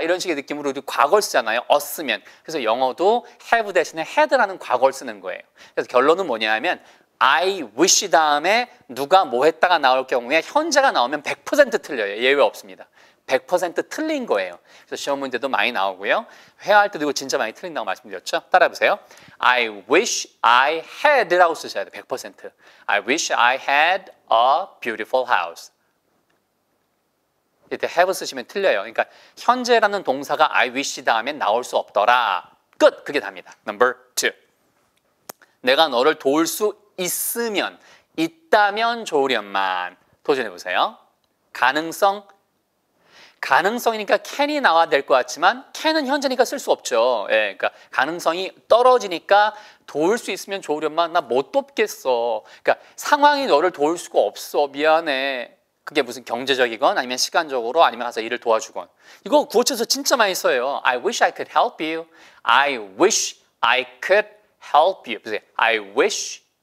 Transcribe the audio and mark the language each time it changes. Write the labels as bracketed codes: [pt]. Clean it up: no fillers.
[ko] 이런 식의 느낌으로 우리 과거를 쓰잖아요. 었으면. 그래서 영어도 have 대신에 had라는 과거를 쓰는 거예요. 그래서 결론은 뭐냐 하면 I wish 다음에 누가 뭐 했다가 나올 경우에 현재가 나오면 100% 틀려요. 예외 없습니다. 100% 틀린 거예요. 그래서 시험 문제도 많이 나오고요. 회화할 때도 이거 진짜 많이 틀린다고 말씀드렸죠. 따라해보세요. [en] I wish I had [ko] 라고 쓰셔야 돼요. 100%. [en] I wish I had a beautiful house. [ko] 이때 have 쓰시면 틀려요. 그러니까 현재라는 동사가 I wish 다음에 나올 수 없더라. 끝! 그게 답니다. [en] Number two. [ko] 내가 너를 도울 수 있으면, 있다면 좋으련만. 도전해보세요. 가능성. 가능성이니까 can이 나와야 될 것 같지만 can은 현재니까 쓸 수 없죠. 예, 그러니까 가능성이 떨어지니까 도울 수 있으면 좋으련만 나 못 돕겠어. 그러니까 상황이 너를 도울 수가 없어. 미안해. 그게 무슨 경제적이건 아니면 시간적으로 아니면 가서 일을 도와주건. 이거 구어체에서 진짜 많이 써요. [en] I wish I could help you. I wish I could help you. I wish